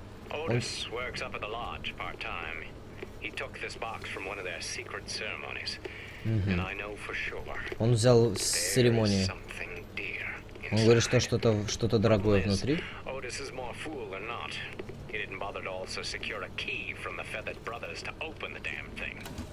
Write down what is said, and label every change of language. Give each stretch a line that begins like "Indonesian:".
English: Otis works up at the lodge part-time. He took this box from one of their secret ceremonies. And I know for sure.
Russian: Он взял с церемонии. Он говорит, что что-то дорогое внутри.
English: Otis is more fool or not. He didn't bother to also secure a key from the Feathered Brothers to open the damn thing.